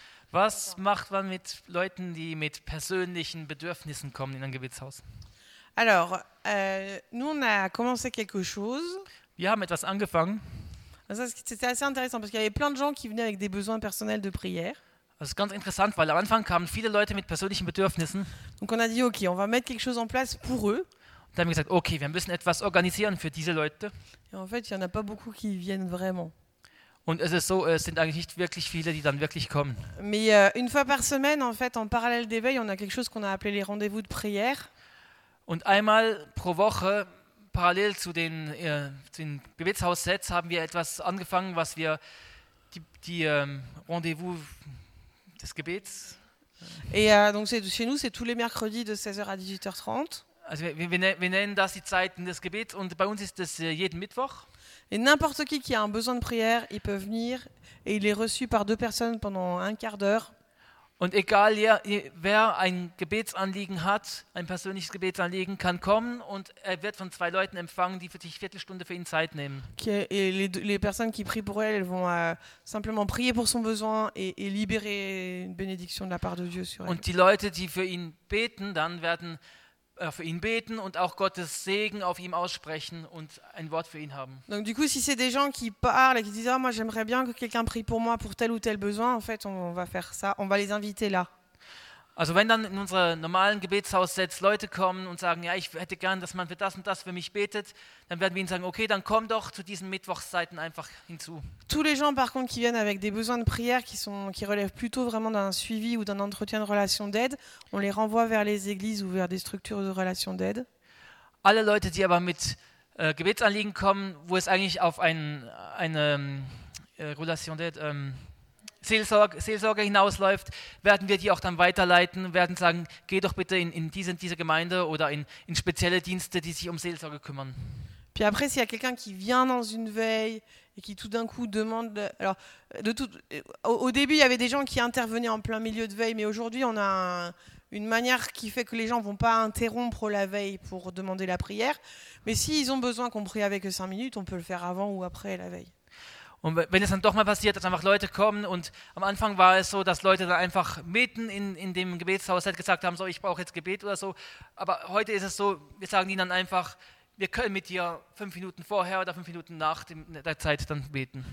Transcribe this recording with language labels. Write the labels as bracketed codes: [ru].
[de] Was macht man mit Leuten, die mit persönlichen Bedürfnissen kommen in ein Gebetshaus? [fr] Alors, nous on a commencé quelque chose. [de] Wir haben etwas angefangen. [fr] C'était assez intéressant parce qu'il y avait plein de gens qui venaient avec des besoins personnels de prière. [de] Das ist ganz interessant, weil am Anfang kamen viele Leute mit persönlichen Bedürfnissen. [fr] Donc on a dit, okay, on va mettre quelque chose en place pour eux. [de] Und dann haben wir gesagt, okay, wir müssen etwas organisieren für diese Leute. [fr] Et en fait, il y en a pas beaucoup qui viennent vraiment. [de] Und es ist so, es sind eigentlich nicht wirklich viele, die dann wirklich kommen. [fr] Mais une fois par semaine, en fait, en parallèle d'éveil, on a quelque chose qu'on a appelé les rendez-vous de prière. [de] Und einmal pro Woche, parallel zu den Gebetshaussets, haben wir etwas angefangen, was wir die Rendez-vous des Gebets. [fr] Et donc c'est chez nous, c'est tous les mercredis de 16h à 18h30. [de] Also wir nennen das die Zeiten des Gebets und bei uns ist das jeden Mittwoch. [fr] Et n'importe qui a un besoin de prière, il peut venir et il est reçu par deux personnes pendant un quart d'heure. [de] Und egal wer ein Gebetsanliegen hat, ein persönliches Gebetsanliegen, kann kommen und er wird von zwei Leuten empfangen, die für sich Viertelstunde für ihn Zeit nehmen. [fr] Okay, et les personnes qui prient pour elle vont simplement prier pour son besoin et libérer une bénédiction de la part de Dieu sur elle. [de] Und die Leute, die für ihn beten, dann werden für ihn beten und auch Gottes Segen auf ihm aussprechen und ein Wort für ihn haben. [fr] Donc du coup, si c'est des gens qui parlent et qui disent, oh, moi j'aimerais bien que quelqu'un prie pour moi pour tel ou tel besoin, en fait, on va faire ça, on va les inviter là. [de] Also wenn dann in unsere normalen Gebetshaus-Sets Leute kommen und sagen, ja, ich hätte gern, dass man für das und das für mich betet, dann werden wir ihnen sagen, okay, dann komm doch zu diesen Mittwochszeiten einfach hinzu. [fr] Tous les gens par contre qui viennent avec des besoins de prière qui relèvent plutôt vraiment d'un suivi ou d'un entretien de relation d'aide, on les renvoie vers les églises ou vers des structures de relation d'aide. [de] Alle Leute, die aber mit Gebetsanliegen kommen, wo es eigentlich auf relation d'aide Seelsorge hinausläuft, werden wir die auch dann weiterleiten, werden sagen, geh doch bitte in diese Gemeinde oder in spezielle Dienste, die sich um Seelsorge kümmern. [fr] Puis après, s'il y a quelqu'un qui vient dans une veille et qui tout d'un coup demande, alors de tout, au début, il y avait des gens qui intervenaient en plein milieu de veille, mais aujourd'hui, on a une manière qui fait que les gens vont pas interrompre la veille pour demander la prière, mais s'ils ont besoin qu'on prie avec 5 minutes, on peut le faire avant ou après la veille. [de] Und wenn es dann doch mal passiert, dass einfach Leute kommen und am Anfang war es so, dass Leute dann einfach mitten in dem Gebetshaus halt gesagt haben, so, ich brauche jetzt Gebet oder so, aber heute ist es so, wir sagen ihnen dann einfach, wir können mit dir 5 Minuten vorher oder 5 Minuten nach der Zeit dann beten.